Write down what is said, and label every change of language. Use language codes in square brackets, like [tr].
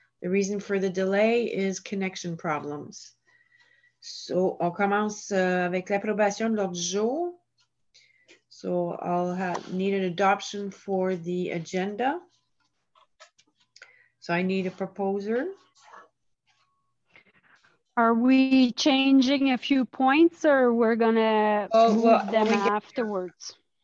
[en] The reason for the delay is connection problems. [fr] So on commence avec l'approbation de l'ordre du jour. [en] So I'll need an adoption for the agenda. So I need a proposer. Are we changing a few points or we're gonna move them afterwards?